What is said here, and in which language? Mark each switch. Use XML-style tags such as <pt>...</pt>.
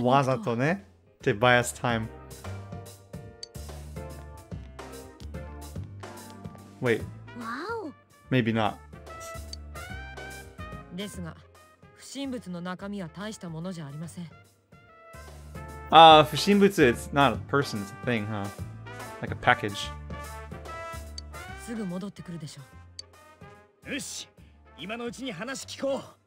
<ja>に。わざとね。</ja> <en>To buy us time. Wait. Wow. Maybe not.</en> <ja>ですが、不審物の中身は大したものじゃありません。</ja> <en>Ah, 不審物 it's not a person, it's a thing, huh? Like a package.</en> <ja>すぐ戻ってくるでしょう。よし、今のうちに話聞こう。</ja>